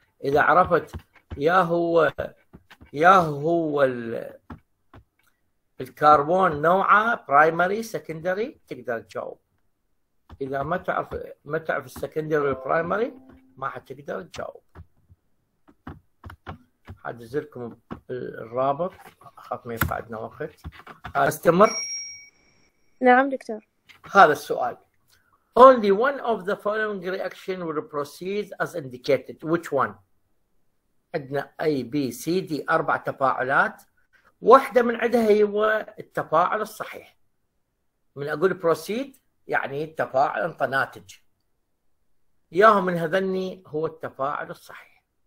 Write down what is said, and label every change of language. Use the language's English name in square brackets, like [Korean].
[Arabic] إذا عرفت يا هو الكربون نوعه برايمري سكندري تقدر تجاوب. اذا ما تعرف السكندري والبرايمري ما حتقدر تجاوب. حادزلكم الرابط، اخاف ما يفعدنا وقت. استمر. نعم دكتور. هذا السؤال. [English] Only one of the following reaction will proceed as indicated. Which one? [Arabic] عندنا A, B, C, D أربع تفاعلات، واحدة من عندها هي التفاعل الصحيح. من أقول proceed يعني التفاعل أنت ناتج، ياهو من هذني هو التفاعل الصحيح.